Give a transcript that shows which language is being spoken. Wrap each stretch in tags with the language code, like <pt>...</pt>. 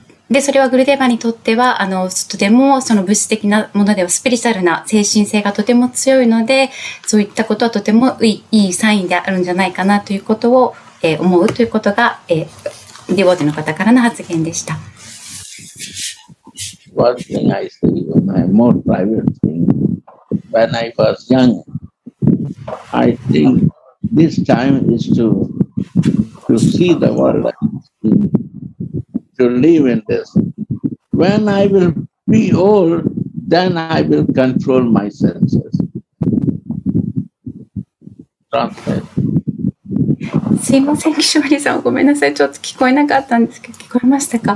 <ja>でそれはグルデーバにとってはとてもその物質的なものではスピリチュアルな精神性がとても強いので、そういったことはとてもいいサインであるんじゃないかなということを、思うということが、ディボーテの方からの発言でした。</ja> <en>One thing I see when I'm more private thing. When I was young, I think this time is to see the world like to live in this. When I will be old, then I will control my senses.</en> <ja>すいません、キショウリさん、ごめんなさい、ちょっと聞こえなかったんですけど、聞こえましたか？</ja>